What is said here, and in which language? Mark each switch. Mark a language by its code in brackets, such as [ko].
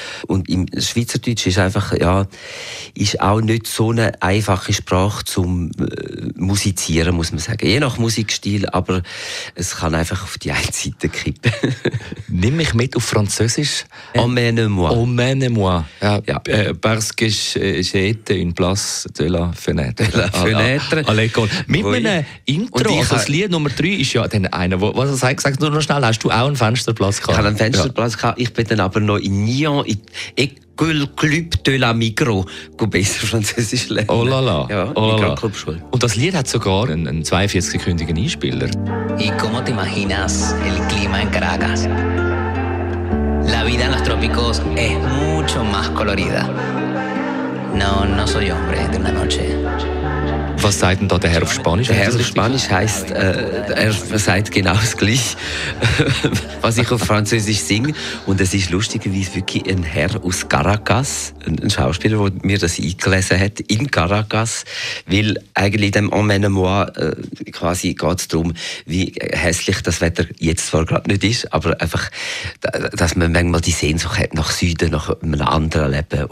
[de] Und im Schweizerdeutsch ist einfach, ja, ist auch nicht so eine einfache Sprache zum musizieren, muss man sagen. Je nach Musikstil, aber es kann einfach auf die eine Seite kippen. Nimm mich mit auf Französisch. [fr] Emmène-moi. Emmène-moi. [de] Ja. Ja. [fr] Parce que j'étais une place de la fenêtre. De la fenêtre. [de] Mit einem Intro, und das Lied Nummer 3 ist ja dann einer, wo, was hat gesagt, nur noch schnell, hast du auch einen Fensterplatz gehabt? Ich habe einen Fensterplatz gehabt, ich bin dann aber noch in Nyon, in École Club de la Migros, go besser Französisch lernen. [fr] Oh la la. [de] Ja, [fr] oh la la. [de] Club-Schule. Und das Lied hat sogar einen 42-sekündigen Einspieler. [es] Y como te imaginas el clima en Caracas? La vida en los trópicos es mucho más colorida. No, no soy hombre de una noche. [de] Was sagt denn da der Herr auf Spanisch? Der Herr auf Spanisch heisst, er sagt genau das Gleiche, was ich auf Französisch singe. Und es ist lustigerweise wirklich ein Herr aus Caracas, ein Schauspieler, der mir das eingelesen hat, in Caracas. Weil eigentlich in dem Emmène-moi quasi geht es darum, wie hässlich das Wetter jetzt zwar gerade nicht ist, aber einfach, dass man manchmal die Sehnsucht hat nach Süden, nach einem anderen Leben.